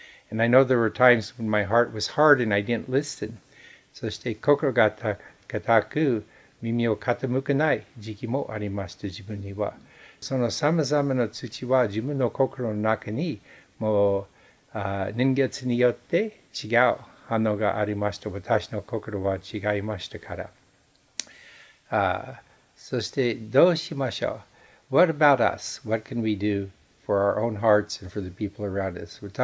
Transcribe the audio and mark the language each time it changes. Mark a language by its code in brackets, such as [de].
[en] And I know there were times when my heart was hard and I didn't listen. [ja] そして心が固く耳を傾けない時期もありました、自分には。その様々な土は自分の心の中に、もう年月によって違う反応がありました。私の心は違いましたから。そしてどうしましょう? [en] What about us? What can we do for our own hearts and for the people around us?